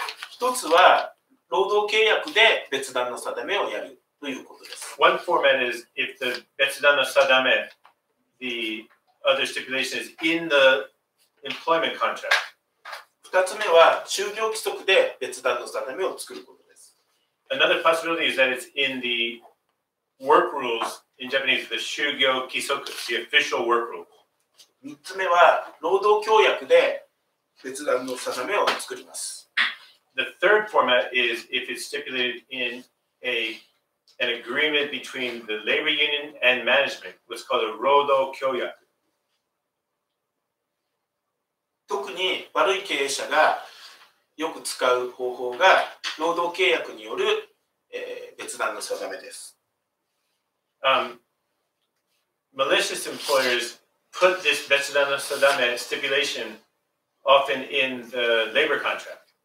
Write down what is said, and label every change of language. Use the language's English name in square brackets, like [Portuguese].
[Japanese] 一つは労働契約で別段の定めをやるということです。 [English] One format is if the 別段の定め、the other stipulation is in the employment contract. [Japanese] 二つ目は就業規則で別段の定めを作ることです。 [English] Another possibility is that it's in the work rules, in Japanese, the 就業規則 the official work rule. [Japanese] 三つ目は労働協約で別段の定めを作ります。 [English] The third format is if it's stipulated in an agreement between the labor union and management, what's called a 労働協約。 [Japanese] 特に悪い経営者がよく使う方法が労働契約による、別段の定めです。 [English] Malicious employers put this 別段の定め stipulation often in the labor contract.